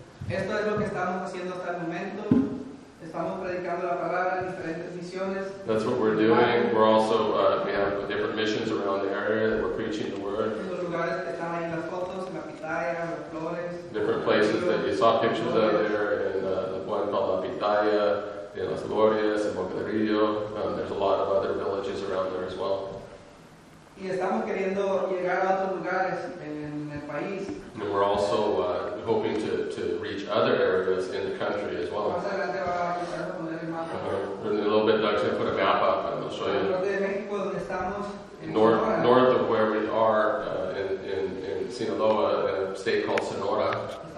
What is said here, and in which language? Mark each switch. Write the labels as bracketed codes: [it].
[es] Esto es lo que estamos haciendo hasta el momento. Estamos predicando la palabra en diferentes misiones. [en] That's what we're doing. We're also we have different missions around the area that we're preaching the word. [es] Los lugares que están ahí, las fotos, la pitaya, las flores. [en] Different places that you saw pictures of there, and the one called La Pitaya, in Las Glorias, and Mocorillo. There's a lot of other villages around there as well. [es] Y estamos queriendo llegar a otros lugares en el país. [en] And we're also hoping to reach other areas in the country as well. In a little bit, Doug's going to put a map up and we'll show you. North of where we are in Sinaloa, in a state called Sonora.